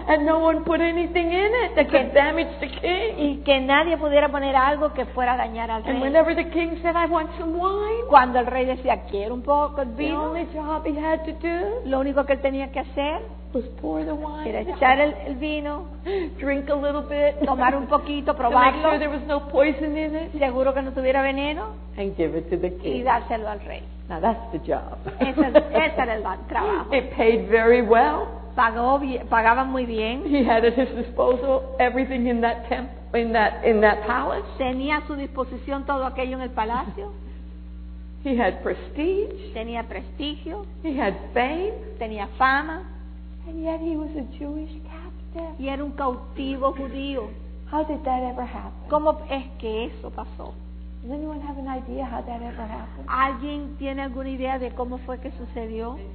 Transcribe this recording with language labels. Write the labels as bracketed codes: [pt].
[en] And no one put anything in it that could damage the king. [es] Y que nadie pudiera poner algo que fuera a dañar al rey. [en] And whenever the king said, "I want some wine," [es] cuando el rey decía, "Quiero un poco de vino," [en] the only job he had to do, [es] lo único que él tenía que hacer, [en] was pour the wine, [es] era echar el vino, [en] drink a little bit, [es] tomar un poquito, probarlo, [en] to make sure there was no poison in it, [es] seguro que no tuviera veneno, [en] and give it to the king, [es] y dárselo al rey. [en] Now that's the job. [es] Ese era el trabajo. [en] It paid very well. [es] Pagaba muy bien. [en] He had at his disposal everything in that temple, in that palace. [es] Tenía a su disposición todo aquello en el palacio. [en] He had prestige. [es] Tenía prestigio. [en] He had fame. [es] Tenía fama. [en] And yet he was a Jewish captive. [es] Y era un cautivo judío. [en] How did that ever happen? [es] ¿Cómo es que eso pasó? [en] Does anyone have an idea how that ever happened? [es] ¿Alguien tiene alguna idea de cómo fue que sucedió?